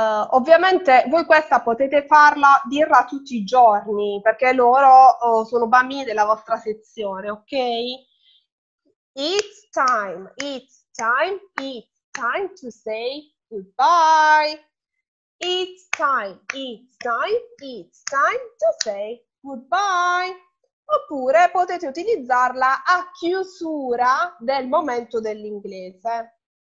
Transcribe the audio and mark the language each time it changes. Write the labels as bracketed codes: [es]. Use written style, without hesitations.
[it] Ovviamente voi questa potete farla, dirla tutti i giorni, perché loro sono bambini della vostra sezione, ok? [en] It's time, it's time, it's time to say goodbye. It's time, it's time, it's time to say goodbye. [it] Oppure potete utilizzarla a chiusura del momento dell'inglese.